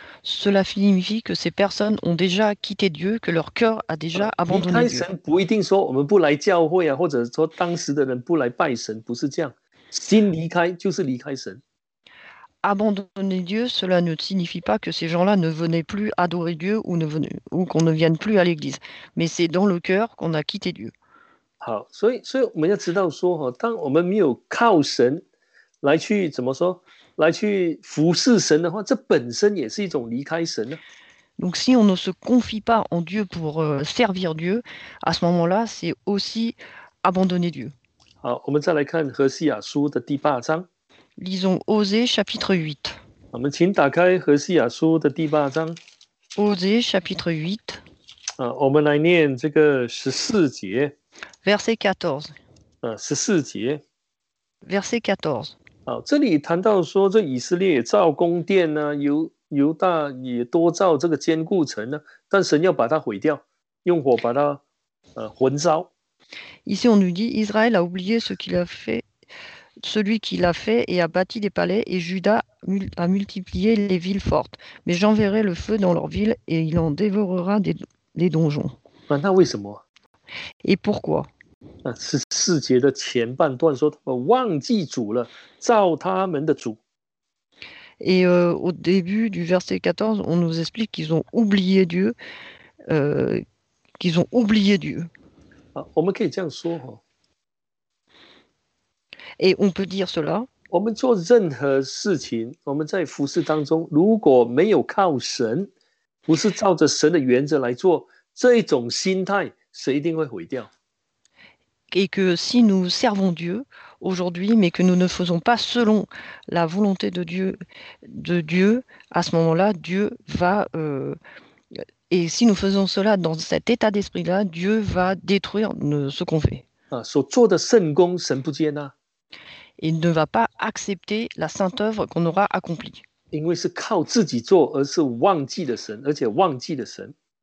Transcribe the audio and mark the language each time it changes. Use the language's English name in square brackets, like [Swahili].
[French] Cela signifie que ces personnes ont déjà quitté Dieu, que leur cœur a déjà abandonné Dieu. [Chinese] 离开神不一定说我们不来教会啊，或者说当时的人不来拜神，不是这样。心离开就是离开神。 [French] Abandonner Dieu, cela ne signifie pas que ces gens-là ne venaient plus adorer Dieu ou qu'on ne vienne plus à l'église. Mais c'est dans le cœur qu'on a quitté Dieu. [Chinese] 好，所以我们要知道说，当我们没有靠神来去怎么说，来去服侍神的话，这本身也是一种离开神呢。 [French] Donc si on ne se confie pas en Dieu pour servir Dieu, à ce moment-là, c'est aussi abandonner Dieu. [Chinese] 好，我们再来看何西亚书的第八章。 [French] Lisons Osée chapitre 8. [Chinese] 我们请打开何西亚书的第八章。 [French] Osée chapitre 8. [Chinese] 我们来念这个十四节。 [French] Verset 14. [Chinese] 十四节。 [French] Verset 14. [Chinese] 好，这里谈到说，这以色列也造宫殿呢、啊，犹大也多造这个坚固城呢、啊，但神要把它毁掉，用火把它焚烧。 [French] Ici on nous dit Israël a oublié ce qu'il a fait. Celui qui l'a fait et a bâti des palais, et Juda a multiplié les villes fortes. Mais j'enverrai le feu dans leurs villes et il en dévorera les donjons. [Chinese] 那为什么？ [French] Et pourquoi? [Chinese] 是四节的前半段说他们忘记主了，造他们的主。 [French] Et au début du verset 14, on nous explique qu'ils ont oublié Dieu. Qu'ils ont oublié Dieu. [Chinese] 我们可以这样说哦。 [French] Et on peut dire cela. [Chinese] 我们做任何事情，我们在服事当中，如果没有靠神，不是照着神的原则来做，这种心态，神一定会毁掉。 [French] Et que si nous servons Dieu aujourd'hui, mais que nous ne faisons pas selon la volonté de Dieu, à ce moment-là, Dieu va. Et si nous faisons cela dans cet état d'esprit-là, Dieu va détruire ce qu'on fait. [Chinese] 所做的圣功，神不接纳。 [French] Il ne va pas accepter la sainte œuvre qu'on aura accomplie. [Chinese] 因为是靠自己做，而是忘记了神，而且忘记了神。